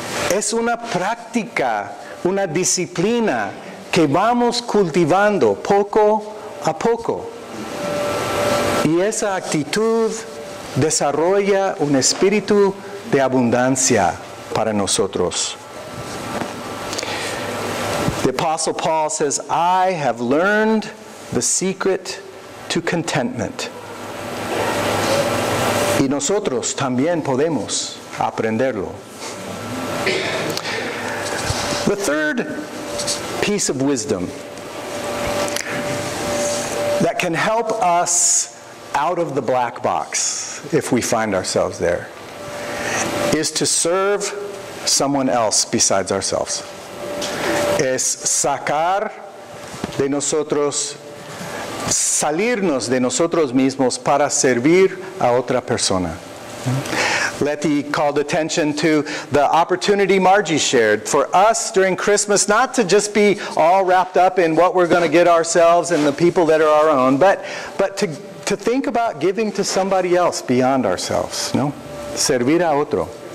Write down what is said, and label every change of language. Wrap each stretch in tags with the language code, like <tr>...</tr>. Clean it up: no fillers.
<es>Es una práctica, una disciplina que vamos cultivando poco a poco. Y esa actitud desarrolla un espíritu de abundancia para nosotros.</es> <en>The Apostle Paul says, I have learned the secret to contentment.</en> <es>Y nosotros también podemos aprenderlo.</es> <en>The third piece of wisdom that can help us out of the black box, if we find ourselves there, is to serve someone else besides ourselves.</en> <es>Es sacar de nosotros, salirnos de nosotros mismos para servir a otra persona.</es> <en>Letty called attention to the opportunity Margie shared for us during Christmas not to just be all wrapped up in what we're going to get ourselves and the people that are our own, but to think about giving to somebody else beyond ourselves, no?</en> <es>Servir a otro.</es>